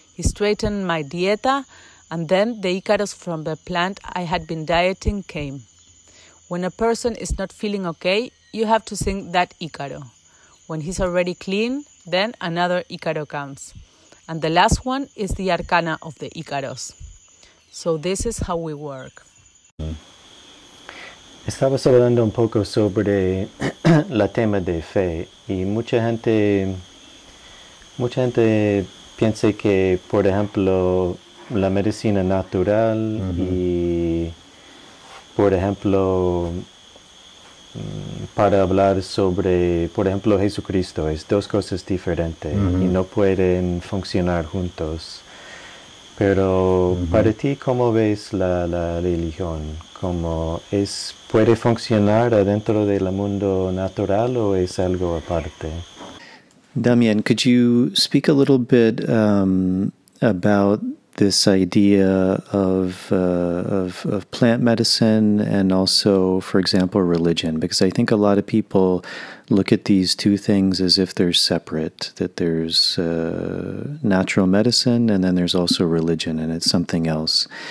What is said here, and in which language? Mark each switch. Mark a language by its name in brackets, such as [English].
[English] He straightened my dieta, and then the Icarus from the plant I had been dieting came. When a person is not feeling okay, you have to sing that Icarus. When he's already clean, then another Icarus comes. And the last one is the Arcana of the Icarus. So this is how we work. [Spanish] Estabas hablando un poco sobre la tema de fe, y mucha gente piensa que, por ejemplo, la medicina natural, mm-hmm. y por ejemplo, para hablar sobre, por ejemplo, Jesucristo, es dos cosas diferentes, mm-hmm. y no pueden funcionar juntos. Pero mm-hmm. para ti, ¿cómo ves la religión? ¿Cómo es, puede funcionar adentro del mundo natural o es algo aparte? [English] Damian, could you speak a little bit about this idea of plant medicine and also, for example, religion? Because I think a lot of people look at these two things as if they're separate, that there's natural medicine and then there's also religion and it's something else.